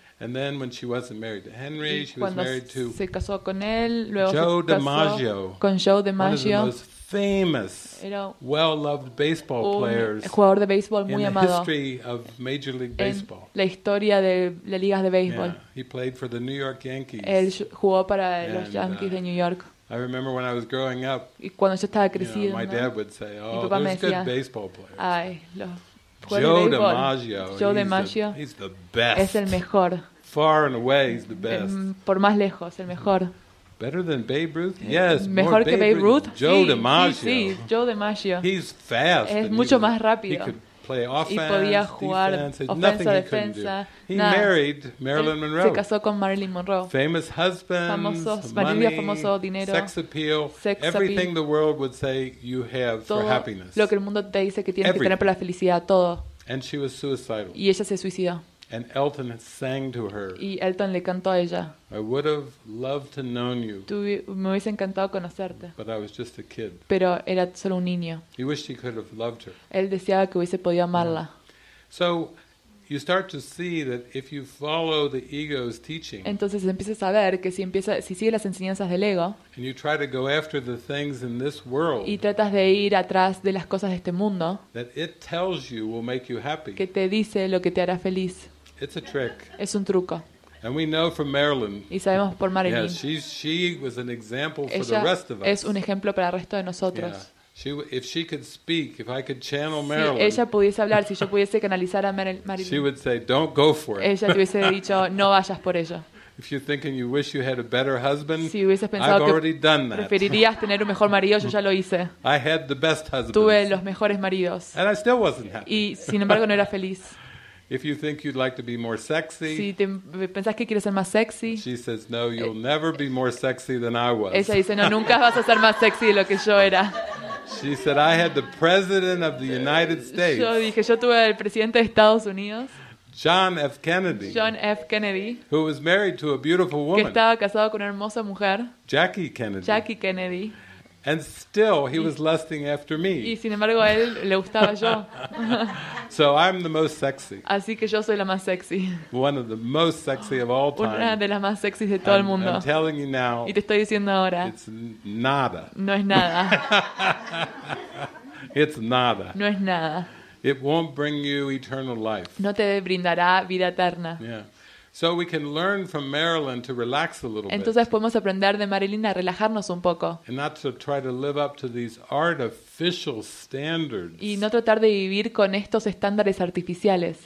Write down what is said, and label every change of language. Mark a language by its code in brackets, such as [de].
[en] And then when she wasn't married to Henry, she was married to [es] se casó con él, luego [en] Joe DiMaggio. [es] Con Joe DiMaggio. [en] One of the most famous, well-loved baseball players. [es] Un jugador de béisbol muy amado. [en] In the history of Major League Baseball. [es] La historia de las ligas de béisbol. [en] Yeah, he played for the New York Yankees. [es] Él jugó para los Yankees de New York. [en] I remember when I was growing up. [es] Y cuando yo estaba creciendo. [en] You know, my dad would say, "Oh, there's good baseball players." [es] Ay, lo [en] Joe DiMaggio, he's the best. [es] Es el mejor. [en] Far and away, he's the best. [es] Por más lejos, el mejor. [en] Better than Babe Ruth? Yes. [es] Mejor que Babe Ruth? [en] Joe DiMaggio. [es] Sí, Joe DiMaggio. [en] He's fast. [es] Es mucho más rápido. [en] Play offense, [es] y podía jugar ofensa, defensa. [en] He married Marilyn Monroe. [es] Se casó con Marilyn Monroe. [en] Famous husband, money, [es] famoso dinero, [en] sex appeal, everything the world would say you have [es] todo [en] for happiness. [es] Lo que el mundo te dice que tienes que tener para la felicidad, todo. [en] And she was suicidal. [es] Y ella se suicidó. [en] And Elton sang to her. [es] Y Elton le cantó a ella. [en] I would have loved to know you. [es] Me hubiese encantado conocerte. [en] But I was just a kid. [es] Pero era solo un niño. [en] He wished he could have loved her. [es] Él deseaba que hubiese podido amarla. [en] So you start to see that if you follow the ego's teaching. [es] Entonces empiezas a ver que si sigues las enseñanzas del ego. [en] And you try to go after the things in this world. [es] Y tratas de ir atrás de las cosas de este mundo. [en] That it tells you will make you happy. [es] Que te dice lo que te hará feliz. [en] It's a trick. [es] Es un truco. [en] And we know from Marilyn. [es] Y sabemos por Marilyn. [en] Yeah, she was an example for [es] ella [en] the rest of us. [es] Es un ejemplo para el resto de nosotros. [en] Yeah. If she could speak, if I could channel Marilyn. [es] Si ella pudiese hablar, si yo pudiese canalizar a Marilyn. [en] She would say, "Don't go for it." [es] Ella te hubiese dicho, "No vayas por ello." [en] If you're thinking you wish you had a better husband, [es] si hubieses pensado [en] I've already done that. [es] Preferirías tener un mejor marido, yo ya lo hice. [en] I had the best husband. [es] Tuve los mejores maridos. [en] And I still wasn't happy. [es] Y sin embargo no era feliz. [en] If you think you'd like to be more sexy, [es] si te pensás que quieres ser más sexy, [en] she says, "No, you'll never be more sexy than I was." [es] Ella dice, "No, nunca vas a ser más sexy de lo que yo era." [en] She said, "I had the President of the United States." [es] Yo dije, yo tuve el presidente de Estados Unidos. [en] John F. Kennedy, who was married to a beautiful woman. [es] Que estaba casado con una hermosa mujer. [en] Jackie Kennedy. And still, he was lusting after me. [es] Y sin embargo, a él le gustaba yo. [en] So I'm the most sexy. [es] Así que yo soy la más sexy. [en] One of the most sexy of all time. [es] Una de las más sexys de todo el mundo. [en] I'm telling you now. [es] Y te estoy diciendo ahora. [en] It's nada. [es] No es nada. [en] It's nada. [es] No es nada. [en] It won't bring you eternal life. [es] No te brindará vida eterna. [en] Yeah. So we can learn from Marilyn to relax a little bit. [es] Entonces podemos aprender de Marilyn a relajarnos un poco. [en] And not to try to live up to these artificial standards. [es] Y no tratar de vivir con estos estándares artificiales.